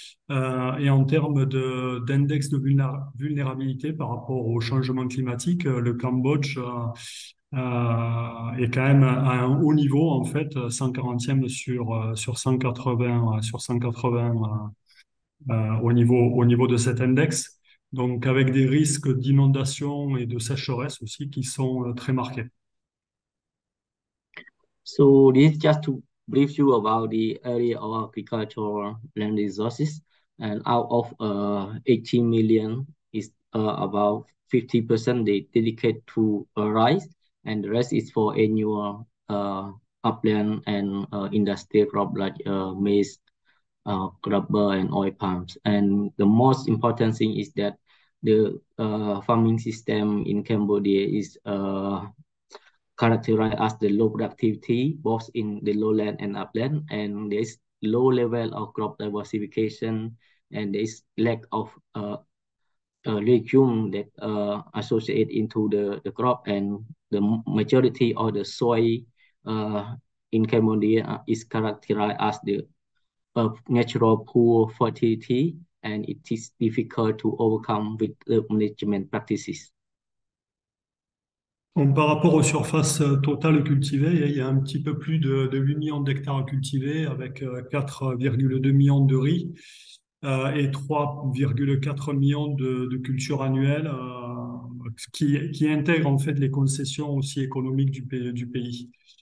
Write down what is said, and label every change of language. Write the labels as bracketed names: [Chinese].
[French] Et en termes d'index de vulnérabilité par rapport au changement climatique, le Cambodge est quand même à un haut niveau, en fait, 140e sur 180, sur 180 au niveau de cet index. Donc, avec des risques d'inondation et de sécheresse aussi qui sont très marqués. [English] So this is just to brief you about the area of agricultural land resources, and out of 80 million is about 50% they dedicate to rice, and the rest is for annual upland and industrial crop like maize, rubber, and oil palms. And the most important thing is that the farming system in Cambodia is characterized as the low productivity, both in the lowland and upland, and there's low level of crop diversification, and there's lack of legume that associate into the crop, and the majority of the soil in Cambodia is characterized as the natural poor fertility, and it is difficult to overcome with the management practices. [French] Donc, par rapport aux surfaces totales cultivées, il y a un petit peu plus de 8 millions d'hectares cultivés avec 4,2 millions de riz et 3,4 millions de cultures annuelles qui intègrent en fait les concessions aussi économiques du pays.